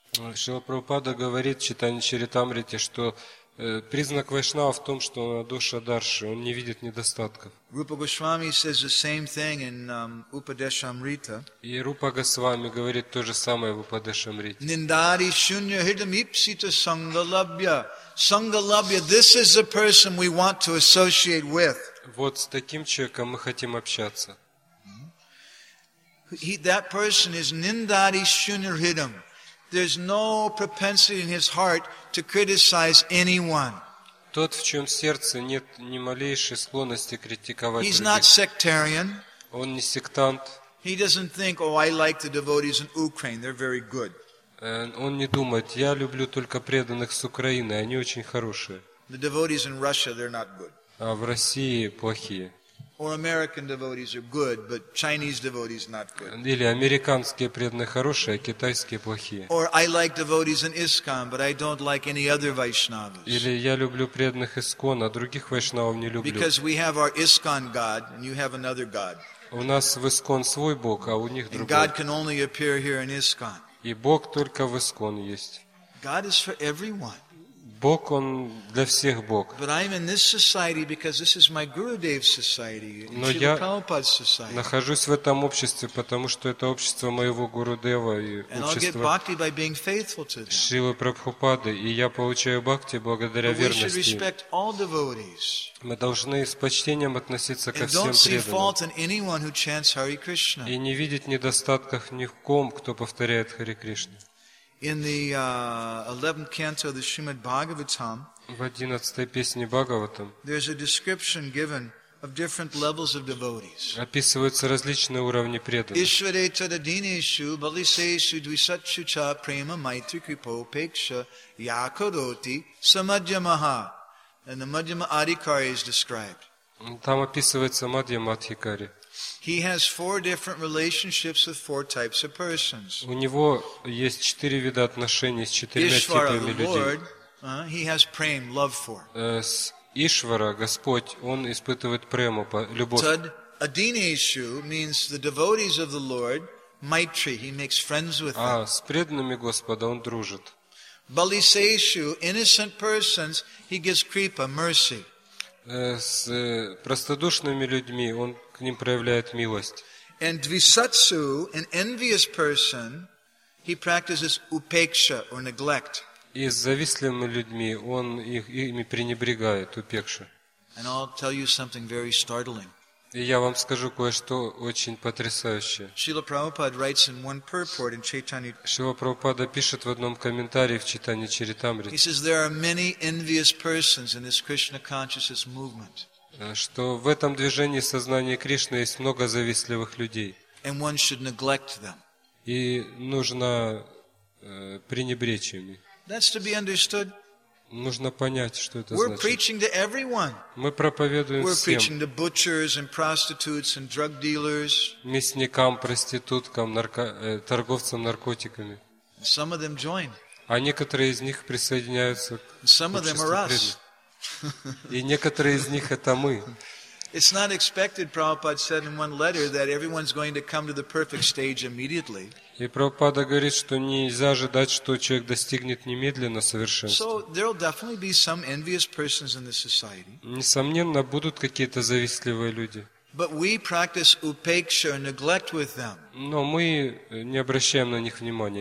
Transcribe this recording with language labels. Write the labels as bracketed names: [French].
[Russian] Srila Prabhupada говорит в читании Чаритамрите, что признак Вайшнава в том, что он адоша дарши, он не видит недостатков. [English] Rupa Goswami says the same thing in Upadeshamrita. [Russian] И Рупа Госвами говорит то же самое в Упадешамрите. [Sanskrit] Nindari shunya hridam ipsita sangalabhya. [English] Sangalabhya, this is the person we want to associate with. [Russian] Вот с таким человеком мы хотим общаться. [English] That person is nindari shunirhidam. There's no propensity in his heart to criticize anyone. [Russian] Тот, в чем сердце нет ни малейшей склонности критиковать других. [English] He's not sectarian. [Russian] Он не сектант. [English] He doesn't think, oh, I like the devotees in Ukraine. They're very good. [Russian] Он не думает, я люблю только преданных с Украины, они очень хорошие. [English] The devotees in Russia, they're not good. [Russian] А в России плохие. [English] Or American devotees are good, but Chinese devotees not good. [Russian] Или американские преданные хорошие, а китайские плохие. [English] Or I like devotees in ISKCON, but I don't like any other Vaishnavas. [Russian] Или я люблю преданных ISKCON, а других вайшнавов не люблю. [English] Because we have our ISKCON God, and you have another God. [Russian] У нас в ISKCON свой Бог, а у них другой. [English] And God can only appear here in ISKCON. [Russian] И Бог только в ISKCON есть. [English] God is for everyone. [Russian] Бог, Он для всех Бог. [English] But I'm in this society because this is my Gurudev society, Srila Prabhupada's society. [Russian] Нахожусь в этом обществе, потому что это общество моего Гурудева и общество Шрилы Прабхупады, и я получаю бхакти благодаря верности. Мы должны с почтением относиться ко всем преданным. И не видеть недостатков ни в ком, кто повторяет Харе Кришну. [English] In the 11th canto of the Srimad Bhagavatam, [Russian] в 11-й песне Бхагаватам, [English] there's a description given of different levels of devotees. [Russian] Описываются различные уровни преданных. [Sanskrit] Ishvare tadadineshu balisheshu dvisachu cha prema maitri kripo peksha yakaroti samadhyamaha. [English] And the Madhyama Adhikari is described. [Russian] Там описывается Мадхьяма Адхикари. [English] He has four different relationships with four types of persons. [Russian] У него есть четыре вида отношений с четырьмя типами людей. [English] He has prem, love for. [Russian] Ишвара, Господь, он испытывает прему, любовь. [English] Tad Adineshu means the devotees of the Lord, Maitri, he makes friends with them. [Russian] А с преданными Господа он дружит. [English] Balisheshu, innocent persons, he gives kripa, mercy. [Russian] С простодушными людьми он к ним проявляет милость. [English] And dvisatsu, an envious person, he practices upeksha or neglect. [Russian] И с завистливыми людьми он ими пренебрегает, упекша. [English] And I'll tell you something very startling. [Russian] И я вам скажу кое-что очень потрясающее. [English] Srila Prabhupada writes in one purport in Chaitanya. [Russian] Srila Prabhupada пишет в одном комментарии в Чайтанья Чаритамрите. [English] He says there are many envious persons in this Krishna consciousness movement. [Russian] Что в этом движении сознания Кришны есть много завистливых людей. [English] And one should neglect them. [Russian] И нужно пренебречь ими. [English] That's to be understood. [Russian] Нужно понять, что это [English] We're [Russian] значит. [English] Preaching to everyone. [Russian] Мы проповедуем [English] We're [Russian] всем. [English] Preaching to butchers and prostitutes and drug dealers. [Russian] Мясникам, проституткам, торговцам наркотиками. [English] Some of them join. [Russian] А некоторые из них присоединяются к [English] Some of them are us. [Russian] И некоторые из них это мы. [English] It's not expected, Prabhupada said in one letter, that everyone's going to come to the perfect stage immediately. [Russian] И Прабхупада говорит, что нельзя ожидать, что человек достигнет немедленно совершенства. [English] So there will definitely be some envious persons in this society. [Russian] Несомненно, будут какие-то завистливые люди. [English] But we practice upeksha, neglect with them. [Russian] Но мы не обращаем на них внимания.